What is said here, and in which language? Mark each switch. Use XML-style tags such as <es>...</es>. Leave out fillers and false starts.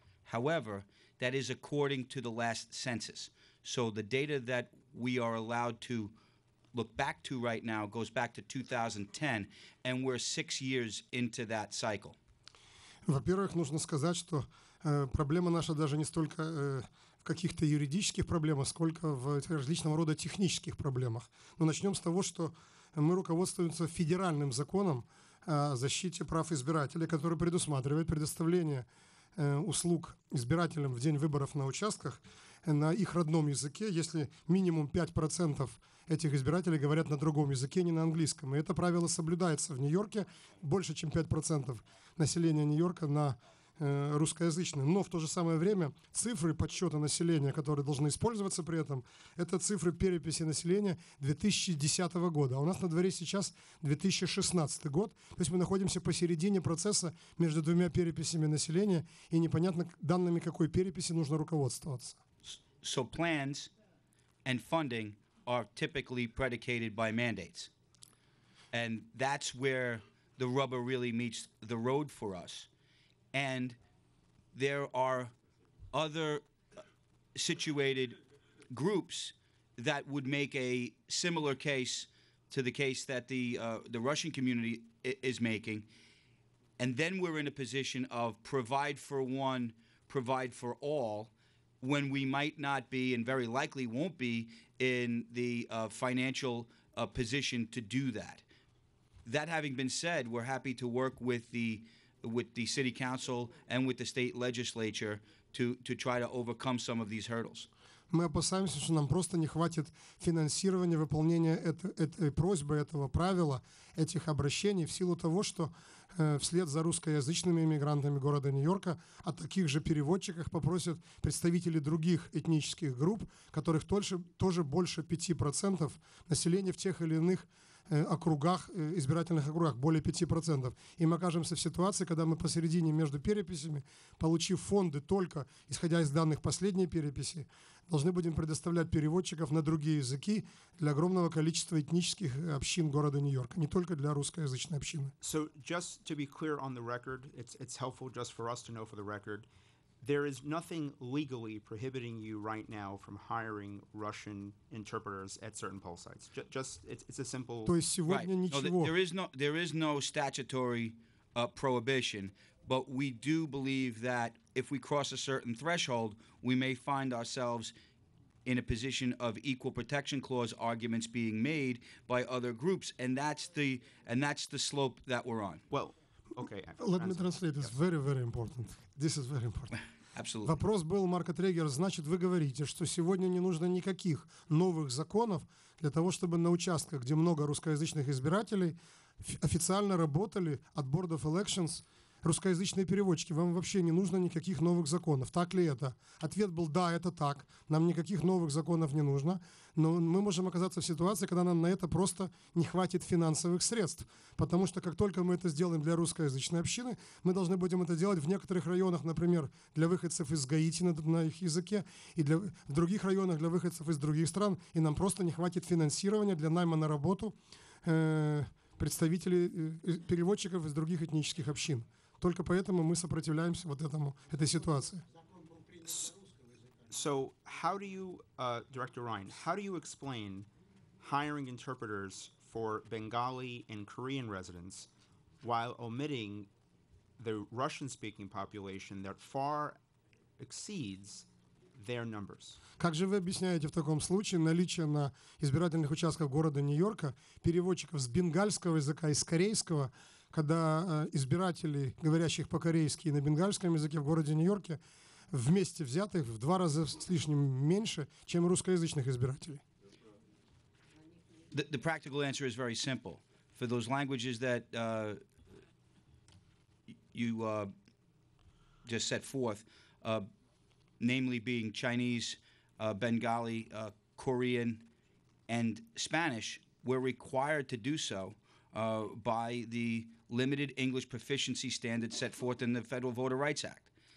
<en>However, that is according to the last census. So the data that we are allowed to look back to right now goes back to 2010, and we're 6 years into that cycle.</en> <ru>Во-первых, нужно сказать, что проблема наша даже не столько в каких-то юридических проблемах, сколько в различного рода технических проблемах. Но начнем с того, что мы руководствуемся федеральным законом о защите прав избирателей, который предусматривает предоставление услуг избирателям в день выборов на участках на их родном языке, если минимум 5% этих избирателей говорят на другом языке, не на английском. И это правило соблюдается в Нью-Йорке. Больше, чем 5% населения Нью-Йорка на русскоязычном. Но в то же самое время цифры подсчета населения, которые должны использоваться при этом, это цифры переписи населения 2010 года. А у нас на дворе сейчас 2016 год. То есть мы находимся посередине процесса между двумя переписями населения, и непонятно данными какой переписи нужно руководствоваться.</ru> <en>So plans and funding are typically predicated by mandates. And that's where the rubber really meets the road for us. And there are other situated groups that would make a similar case to the case that the Russian community is making. And then we're in a position of provide for one, provide for all, when we might not be and very likely won't be in the financial position to do that. That having been said, we're happy to work with the city council and with the state legislature to try to overcome some of these hurdles.</en> <ru>Мы опасаемся, что нам просто не хватит финансирования выполнения этой просьбы, этого правила, этих обращений в силу того, что вслед за русскоязычными иммигрантами города Нью-Йорка о таких же переводчиках попросят представители других этнических групп, которых тоже больше 5% населения в тех или иных округах, избирательных округах, более 5%. И мы окажемся в ситуации, когда мы посередине между переписями, получив фонды только, исходя из данных последней переписи, должны будем предоставлять переводчиков на другие языки для огромного количества этнических общин города Нью-Йорка, не только для русскоязычной общины.</ru> <en>So just to be clear on the record, it's helpful just for us to know for the record, There is nothing legally prohibiting you right now from hiring Russian interpreters at certain poll sites. It's a simple.</en> <ru>То есть сегодня ничего.</ru> <en>Right. There is no statutory prohibition, but we do believe that if we cross a certain threshold, we may find ourselves in a position of equal protection clause arguments being made by other groups, and that's the slope that we're on. Well, okay. Let me translate. It's very, very important. This is very important. Absolutely.</en> <ru>Вопрос был, Марко Трегер, значит, вы говорите, что сегодня не нужно никаких новых законов для того, чтобы на участках, где много русскоязычных избирателей, официально работали от Board of Elections русскоязычные переводчики. Вам вообще не нужно никаких новых законов. Так ли это? Ответ был, да, это так. Нам никаких новых законов не нужно. Но мы можем оказаться в ситуации, когда нам на это просто не хватит финансовых средств. Потому что как только мы это сделаем для русскоязычной общины, мы должны будем это делать в некоторых районах, например, для выходцев из Гаити на их языке, и для, в других районах для выходцев из других стран, и нам просто не хватит финансирования для найма на работу представителей переводчиков из других этнических общин. Только поэтому мы сопротивляемся вот этому, этой ситуации.</ru> <en>So how do you, Director Ryan, how do you explain hiring interpreters for Bengali and Korean residents while omitting the Russian-speaking population that far exceeds their numbers?</en> <ru>Как же вы объясняете в таком случае наличие на избирательных участках города Нью-Йорка переводчиков с бенгальского языка и с корейского, когда избиратели, говорящих по-корейски и на бенгальском языке в городе Нью-Йорке, вместе взятых в два раза с лишним меньше, чем русскоязычных избирателей?</ru> <en>The practical answer is very simple. For those languages that you just set forth, namely being Chinese, Bengali, Korean, and Spanish, we're required to do so by the limited English proficiency standard set forth in the Federal Voter Rights Act.</en>